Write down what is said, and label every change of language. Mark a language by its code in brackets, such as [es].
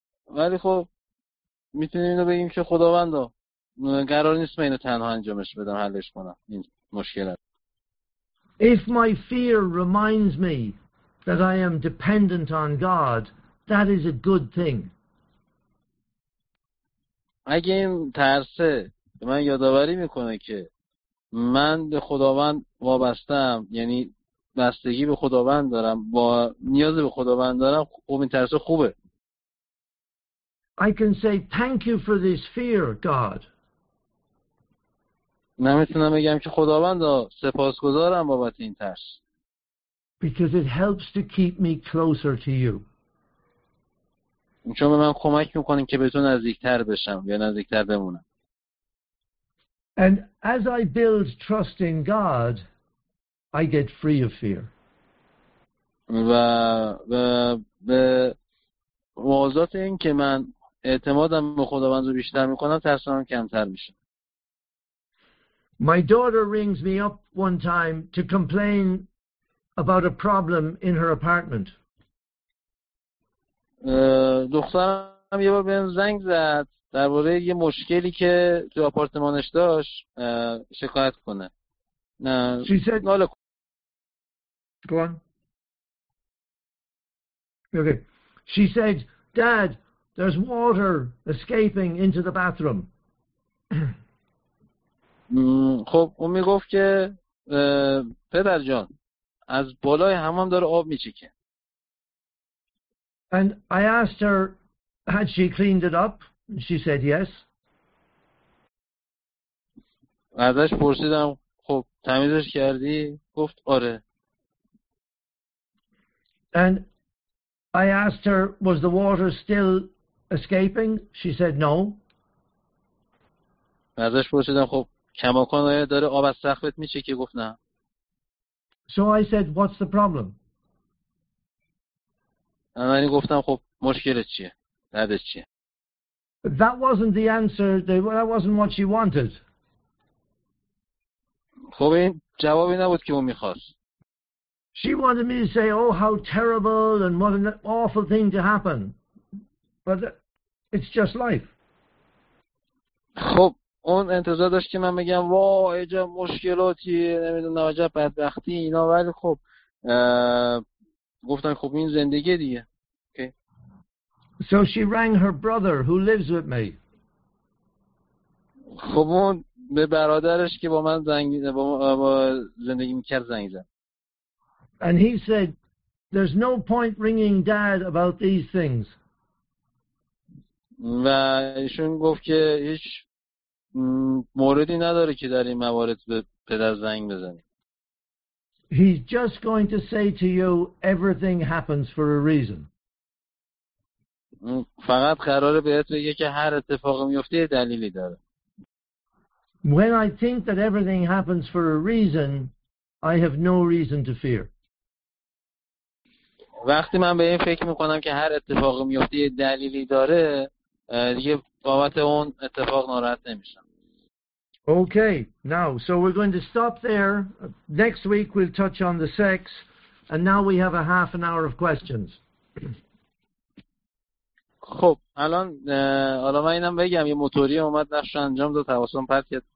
[fa] ولی خب میتونیم اینو بگیم که خداوندا قرار نیست من اینو تنها انجامش بدم، حلش کنم این مشکل. [en] If my fear reminds me that I am dependent on God, that is a good thing. [fa] اگه این ترس من یادآوری میکنه که من به خداوند وابستم، یعنی بستگی به خداوند دارم، با نیاز به خداوند دارم، خب این ترس خوبه. [en] I can say thank you for this fear, God. [fa] نمیتونم بگم که خداوند سپاسگزارم بابت این ترس. [en] Because it helps to keep me closer to you. [fa] چون به من کمک میکنه که به تو نزدیکتر بشم یا نزدیکتر بمونم. [en] And as I build trust in God, I get free of fear. [fa] و به واسطه این که من اعتمادم به خداوند رو بیشتر میکنم، ترسم کمتر میشه. [en] My daughter rings me up one time to complain about a problem in her apartment. [fa] دخترم یه بار بهم زنگ زد درباره یه مشکلی که تو آپارتمانش داشت شکایت کنه. [en] She said, [fa] ناله کن. [en] Go on. Okay. She said, Dad, there's water escaping into the bathroom. [fa] خب اون میگفت که پدر جان از بالای حمام داره آب میچکه. [en] And I asked her, had she cleaned it up? And she said yes. [fa] ازش پرسیدم خب تمیزش کردی؟ گفت آره. [en] And I asked her, was the water still escaping? She said no. [fa] ازش پرسیدم خب کماکان آیا داره آب از سقفت میشه که گفت نه. [en] So I said, what's the problem? [fa] من گفتم خب مشکلت چیه؟ دردت چیه؟ [en] That wasn't the answer. That wasn't what she wanted. [fa] خب این جوابی نبود که اون میخواست. [en] She wanted me to say, oh, how terrible and what an awful thing to happen. But it's just life. [fa] خب اون انتظار داشت که من بگم وای چه مشکلاتی نمیدونم عجب بدبختی اینا، ولی خب گفتن خب این زندگی دیگه. [en] Okay. So she rang her brother who lives with me. [fa] خب اون به برادرش که با من زنگ با زندگی میکرد زنگ زد. [en] And he said there's no point ringing dad about these things. [fa] و ایشون گفت که هیچ موردی نداره که در این موارد به پدر زنگ بزنی. [en] He's just going to say to you everything happens for a reason. [fa] فقط قراره بهت بگه که هر اتفاقی میفته یه دلیلی داره. [en] When I think that everything happens for a reason, I have no reason to fear. [fa] وقتی من به این فکر میکنم که هر اتفاقی میفته یه دلیلی داره، دیگه بابت اون اتفاق ناراحت نمیشم. [en] Okay, now, so we're going to stop there. Next week we'll touch on the sex, and now we have a half an hour of questions. [fa] خب الان من اینم بگم یه موتوری اومد نقش انجام داد تواصل پرت کرد.